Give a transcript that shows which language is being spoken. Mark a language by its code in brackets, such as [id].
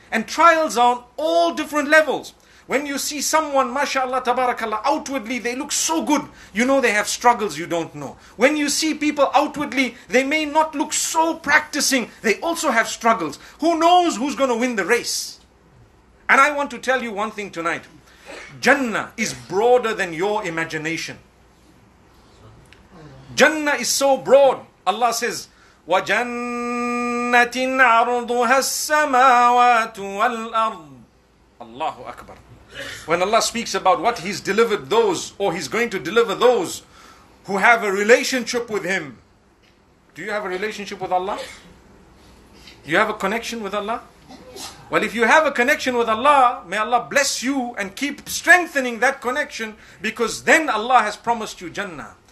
[en] And trials are on all different levels. When you see someone, mashallah, tabarakallah, outwardly they look so good, you know they have struggles you don't know. When you see people outwardly, they may not look so practicing, they also have struggles. Who knows who's going to win the race? And I want to tell you one thing tonight. Jannah is broader than your imagination. Jannah is so broad. Allah says, [ar] وَجَنَّةٍ عَرْضُهَا السَّمَاوَاتُ وَالْأَرْضُ. [en] Allahu Akbar. When Allah speaks about what He's delivered those, or He's going to deliver those who have a relationship with Him. Do you have a relationship with Allah? You have a connection with Allah? Well, if you have a connection with Allah, may Allah bless you and keep strengthening that connection, because then Allah has promised you Jannah.